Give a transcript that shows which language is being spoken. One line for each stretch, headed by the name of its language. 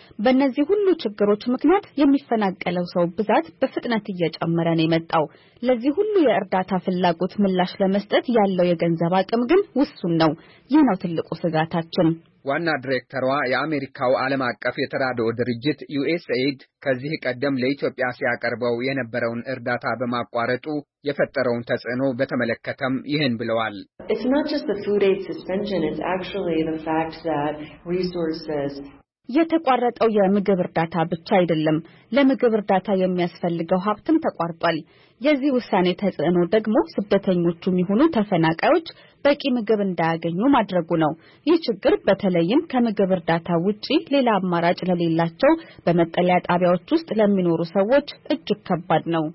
Amharic: በእነዚህ ሁሉ ችግሮች ምክንያት የሚፈናቀለው ሰው ብዛት በፍጥነት እየጨመረ ነው የመጣው። ለዚህ ሁሉ የእርዳታ ፍላጎት ምላሽ ለመስጠት ያለው የገንዘብ አቅም ግን ውሱን ነው። ይህ ነው ትልቁ ስጋታችን። ዋና ዳይሬክተሯ የአሜሪካው ዓለም አቀፍ የተራድኦ ድርጅት USAID ከዚህ ቀደም ለኢትዮጵያ ሲያቀርበው የነበረውን እርዳታ በማቋረጡ የፈጠረውን ተጽዕኖ በተመለከተም ይህን ብለዋል።
English: It's not just the food aid suspension, it's actually the fact that resources
Amharic: የተቋረጠው የምግብ እርዳታ ብቻ አይደለም፣ ለምግብ እርዳታ የሚያስፈልገው ሀብትም ተቋርጧል። የዚህ ውሳኔ ተጽዕኖ ደግሞ ስደተኞቹም ይሁኑ ተፈናቃዮች በቂ ምግብ እንዳያገኙ ማድረጉ ነው። ይህ ችግር በተለይም ከምግብ እርዳታ ውጪ ሌላ አማራጭ ለሌላቸው በመጠለያ ጣቢያዎች ውስጥ ለሚኖሩ ሰዎች እጅግ ከባድ ነው።